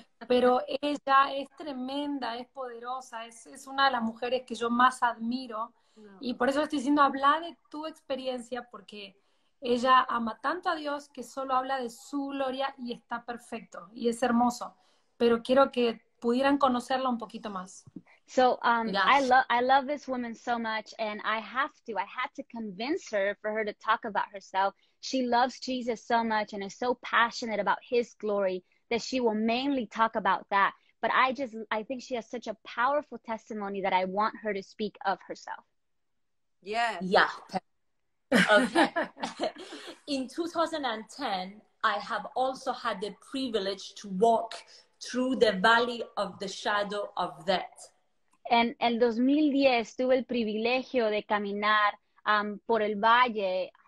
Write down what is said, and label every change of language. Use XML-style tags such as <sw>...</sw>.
<es>Pero ella es tremenda, es poderosa, es una de las mujeres que yo más admiro. Y por eso le estoy diciendo, habla de tu experiencia, porque ella ama tanto a Dios que solo habla de su gloria y está perfecto y es hermoso. Pero quiero que pudieran conocerla un poquito más. So Gracias.</es> <en>I love this woman so much, and I had to convince her for her to talk about herself. She loves Jesus so much and is so passionate about his glory that she will mainly talk about that. But I think she has such a powerful testimony that I want her to speak of herself. Yes. Yeah. Okay. In 2010, I have also had the privilege to walk through the valley of the shadow of death.</en> <es>En el 2010 tuve el privilegio de caminar por el valle.</es>